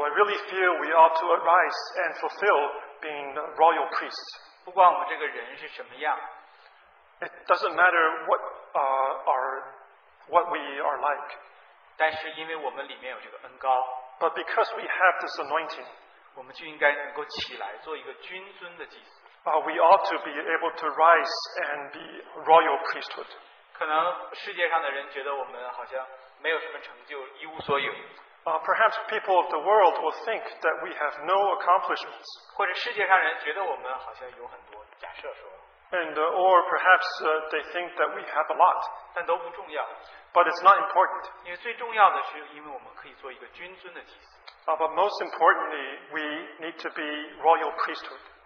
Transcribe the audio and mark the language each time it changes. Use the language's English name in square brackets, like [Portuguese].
[English] I really feel we ought to arise and fulfill being the royal priests. [Chinese] 不管我们这个人是什么样。 [English] It doesn't matter what we are like. [Chinese] 但是因为我们里面有这个恩膏。 [English] But because we have this anointing, [Chinese] 我们就应该能够起来做一个君尊的祭司。 [English] We ought to be able to rise and be royal priesthood. [Chinese] 可能世界上的人觉得我们好像没有什么成就，一无所有。 [English] Perhaps people of the world will think that we have no accomplishments. [Chinese] 或者世界上人觉得我们好像有很多，假设说。 [English] Or perhaps they think that we have a lot. [Chinese] 但都不重要。 [English] But it's not important. [Chinese] 因为最重要的是，因为我们可以做一个君尊的祭司。 [English] But most importantly, we need to be royal priesthood.